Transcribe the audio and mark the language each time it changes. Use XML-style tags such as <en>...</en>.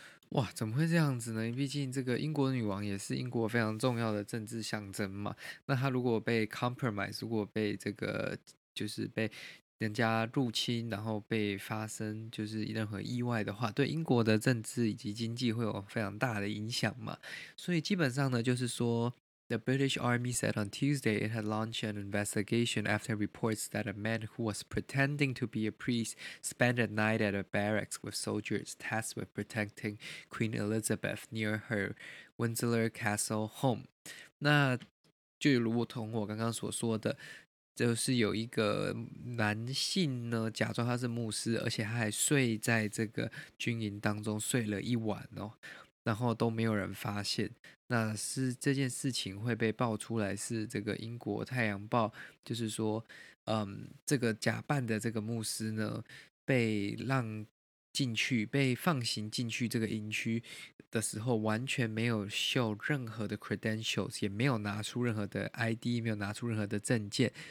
<zh>哇，怎么会这样子呢？毕竟这个英国女王也是英国非常重要的政治象征嘛。那她如果被 compromise， 如果被这个就是被人家入侵，然后被发生就是任何意外的话，对英国的政治以及经济会有非常大的影响嘛。所以基本上呢，就是说</zh> <en>The British Army said on Tuesday it had launched an investigation after reports that a man who was pretending to be a priest spent a night at a barracks with soldiers tasked with protecting Queen Elizabeth near her Windsor Castle home.</en> <zh>那就如同我刚刚所说的，就是有一个男性呢，假装他是牧师，而且他还睡在这个军营当中睡了一晚哦，然后都没有人发现。那是这件事情会被爆出来，是这个英国太阳报，就是说这个假扮的这个牧师呢，被让进去，被放行进去这个营区的时候，完全没有秀任何的 credentials， 也没有拿出任何的 ID， 没有拿出任何的证件。</zh>